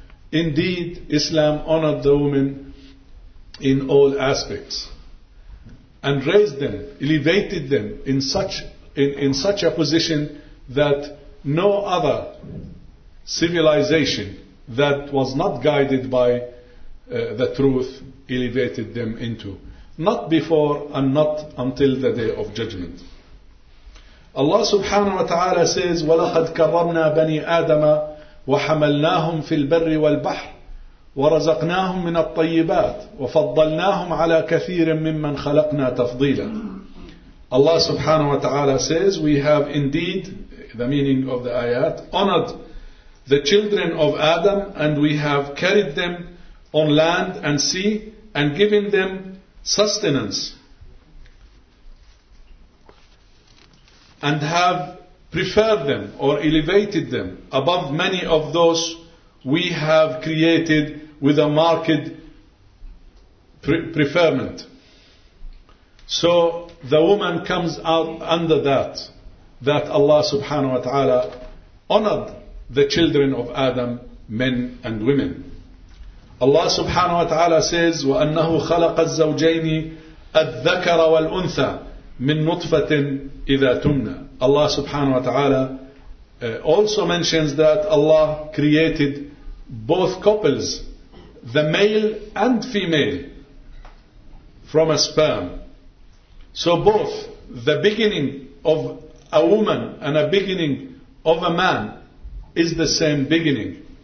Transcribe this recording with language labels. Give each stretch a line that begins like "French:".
English: Indeed, Islam honored the woman in all aspects and raised them, elevated them in such a position that no other civilization that was not guided by the truth elevated them into. Not before and not until the day of judgment. Allah subhanahu wa ta'ala says,
Arabic: وَلَقَدْ كَرَّمْنَا بَنِي آدَمَ وَحَمَلْنَاهُمْ فِي الْبَرِّ وَالْبَحْرِ وَرَزَقْنَاهُمْ مِنَ الطَّيِّبَاتِ وَفَضَّلْنَاهُمْ عَلَى كَثِيرٍ مِّمَّنْ خَلَقْنَا تَفْضِيلًا.
English: Allah subhanahu wa ta'ala says, we have indeed, the meaning of the ayat, honored the children of Adam, and we have carried them on land and sea and given them sustenance, and have preferred them or elevated them above many of those we have created with a marked preferment. So the woman comes out under that, that Allah subhanahu wa ta'ala honored the children of Adam, men and women. Allah subhanahu wa ta'ala says,
Arabic: وَأَنَّهُ خَلَقَ الزَّوْجَيْنِ الذَّكَرَ وَالْأُنْثَى مِنْ نُطْفَةٍ إِذَا تُمْنَى.
English: Allah subhanahu wa ta'ala also mentions that Allah created both couples, the male and female, from a sperm. So both the beginning of a woman and a beginning of a man is the same beginning.